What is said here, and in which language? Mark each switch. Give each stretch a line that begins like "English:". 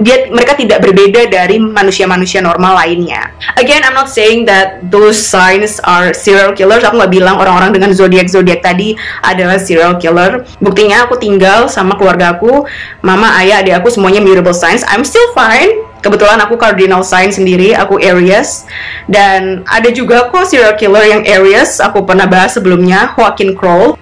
Indonesian: Mereka tidak berbeda dari manusia-manusia normal lainnya.
English: Again, I'm not saying that those signs are serial killers.
Indonesian: Aku nggak bilang orang-orang dengan zodiak-zodiak tadi adalah serial killer. Buktinya aku tinggal sama keluarga aku. Mama, ayah, adik aku semuanya mutable signs.
English: I'm still fine.
Indonesian: Kebetulan aku cardinal sign sendiri, aku Aries. Dan ada juga kok serial killer yang Aries, aku pernah bahas sebelumnya, Joaquin Crowell.